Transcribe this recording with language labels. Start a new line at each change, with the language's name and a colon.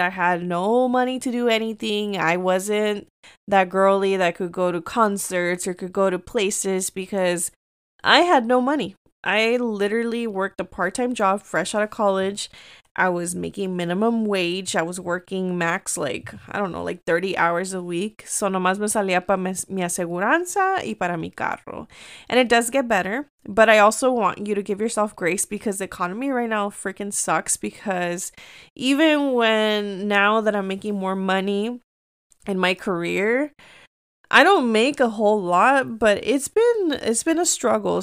English: I had no money to do anything. I wasn't that girly that could go to concerts or could go to places because I had no money. I literally worked a part-time job fresh out of college. I was making minimum wage. I was working max, like, I don't know, like 30 hours a week.
Spanish: So nomás me salía para mi aseguranza y para mi carro.
English: And it does get better. But I also want you to give yourself grace, because the economy right now freaking sucks. Because even when now that I'm making more money in my career, I don't make a whole lot, but it's been a struggle.